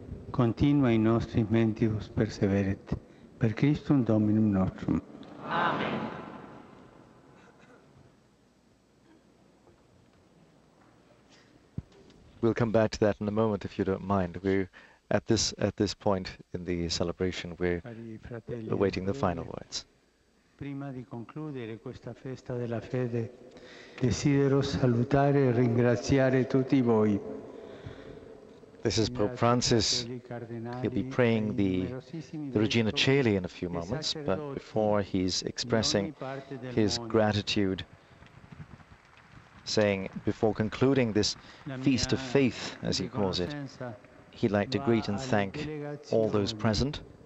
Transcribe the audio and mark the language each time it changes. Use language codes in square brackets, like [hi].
[la] continua in nostri mentibus perseveret, per Christum Dominum nostrum. Amen. [en] We'll come back to that in a moment, if you don't mind. We're at this point in the celebration, we're awaiting the final words. [it] Prima di concludere questa festa della fede, desidero salutare e ringraziare tutti voi. [en] This is Pope Francis. He'll be praying the Regina Coeli in a few moments, but before he's expressing his gratitude, saying, before concluding this feast of faith, as he calls it, he'd like to greet and thank all those present.